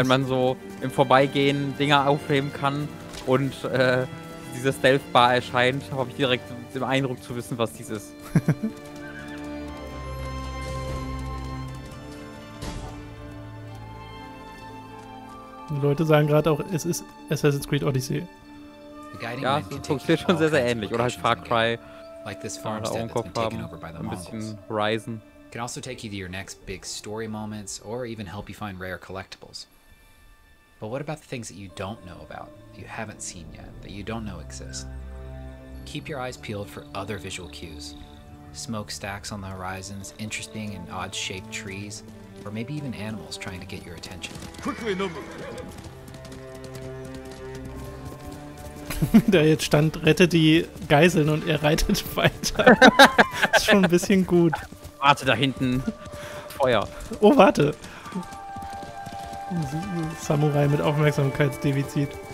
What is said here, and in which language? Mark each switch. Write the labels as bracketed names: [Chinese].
[German] Wenn man so im Vorbeigehen Dinger aufheben kann und diese Stealth-Bar erscheint, habe ich direkt den Eindruck zu wissen, was dies ist. Leute sagen gerade auch, es ist Assassin's Creed Odyssey. Ja, es funktioniert schon sehr, sehr ähnlich. Oder halt Far Cry. [English] Like this farmstead that's been taken over by the Mongols. [German] Ein bisschen Horizon. [English] Can also take you to your next big story moments or even help you find rare collectibles. But what about the things that you don't know about, that you haven't seen yet, that you don't know exist? Keep your eyes peeled for other visual cues. Smokestacks on the horizons, interesting and odd-shaped trees. Or maybe even animals trying to get your attention. Quickly, number. [German] Da jetzt stand, rette die Geiseln und er reitet weiter. Ist schon ein bisschen gut. Warte, da hinten. Feuer. Oh, warte. Samurai mit Aufmerksamkeitsdefizit.